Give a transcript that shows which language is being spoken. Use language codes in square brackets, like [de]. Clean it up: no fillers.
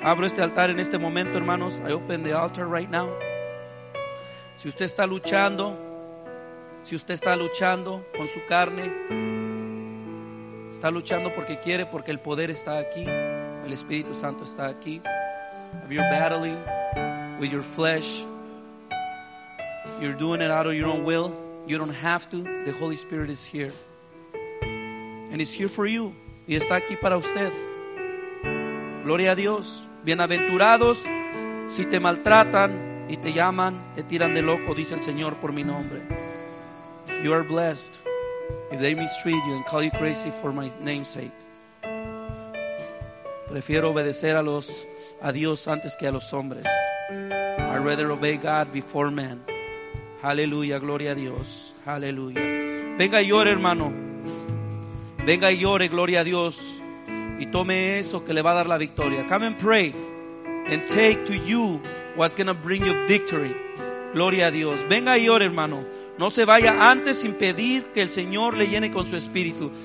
[es] Abro este altar en este momento, hermanos. [en] I open the altar right now. [es] Si usted está luchando, si usted está luchando con su carne, está luchando porque quiere, porque el poder está aquí, el Espíritu Santo está aquí. [en] If you're battling with your flesh, you're doing it out of your own will, you don't have to, the Holy Spirit is here. And it's here for you. [es] Y está aquí para usted. Gloria a Dios. Bienaventurados si te maltratan y te llaman, te tiran de loco, dice el Señor por mi nombre. [en] You are blessed if they mistreat you and call you crazy for my name's sake. [es] Prefiero obedecer a Dios antes que a los hombres. [en] I'd rather obey God before men. [es] Aleluya, gloria a Dios. Aleluya. Venga y ore, hermano. Venga y ore, gloria a Dios. Y tome eso que le va a dar la victoria. [en] Come and pray. And take to you what's going to bring you victory. [es] Gloria a Dios. Venga y ore, hermano. No se vaya antes sin pedir que el Señor le llene con su Espíritu.